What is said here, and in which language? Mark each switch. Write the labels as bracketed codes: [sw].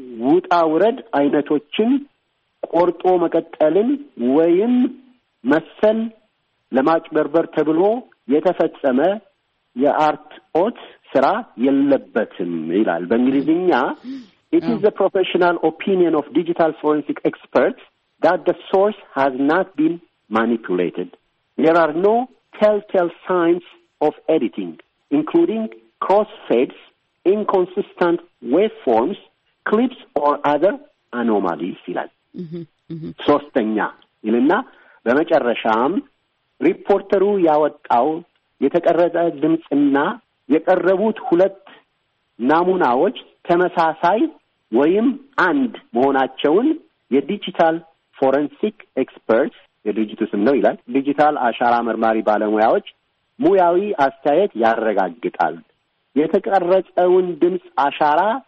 [am] ውጣ ውረድ አይነቶችን ቆርጦ መቀጠልን ወይም መሰል ለማጭበርበር ተብሎ የተፈጸመ የአርት ኦት ስራ የለበትም ይላል በእንግሊዝኛ። [en] It is the professional opinion of digital forensic experts that the source has not been manipulated. There are no telltale signs of editing, including crossfades, inconsistent waveforms, clips, or other anomalies. [am] ሶስተኛ ይልና በመጨረሻም ሪፖርተሩ ያወጣው የተቀረጸ ድምጽና የቀረቡት ሁለት ናሙናዎች ተመሳሳይ ወይም አንድ መሆናቸውን የዲጂታል ፎረንሲክ ኤክስፐርትስ የድርጅቱ ስም ነው ይላል ዲጂታል አሻራ መርማሪ ባለሙያዎች ሙያዊ አስተያየት ያረጋግጣል። የተቀረጸውን ድምጽ አሻራ